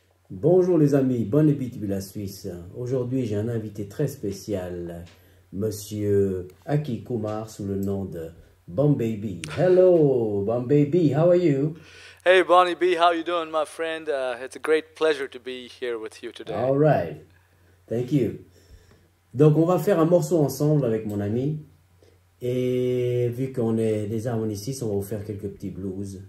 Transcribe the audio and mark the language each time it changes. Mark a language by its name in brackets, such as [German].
[French] Bonjour les amis, bonne épitude de la Suisse. Aujourd'hui, j'ai un invité très spécial, Monsieur Aki Kumar, sous le nom de Bomb Baby. [English] Hello, Bomb Baby, how are you? Hey Bonnie B, how you doing, my friend? It's a great pleasure to be here with you today. All right, thank you. [French] Donc, on va faire un morceau ensemble avec mon ami. Et vu qu'on est des harmonicistes, on va vous faire quelques petits blues.